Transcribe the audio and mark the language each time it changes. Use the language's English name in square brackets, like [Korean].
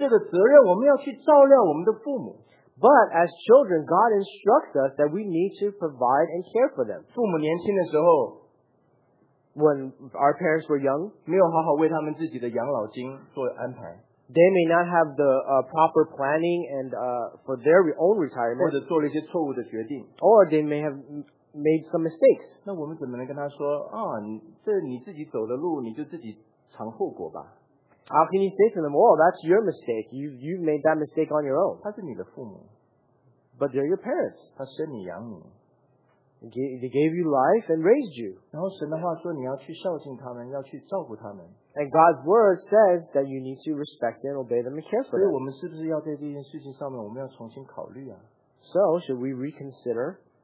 [Chinese] 但是问题是我们做孩子的，神给我们这个责任，我们要去照料我们的父母。 [English] But as children, God instructs us that we need to provide and care for them. [Chinese] 父母年轻的时候, [English] when our parents were young, [Chinese] 没有好好为他们自己的养老金做安排。 [English] They may not have the proper planning and for their own retirement. Or they may have made some mistakes. [Chinese] 那我们怎么能跟他说，哦，这你自己走的路，你就自己尝后果吧。 [English] How can you say to them, oh, that's your mistake. You made that mistake on your own. [Chinese] 他是你的父母。 [English] But they're your parents. [Chinese] 他生你养你。 [English] They gave you life and raised you. [Chinese] 然后神的话说，你要去孝敬他们，要去照顾他们。 [English] And God's word says that you need to respect them, obey them, and care for them. [Chinese] 所以我们是不是要在这件事情上面，我们要重新考虑啊？ [English] So should we reconsider?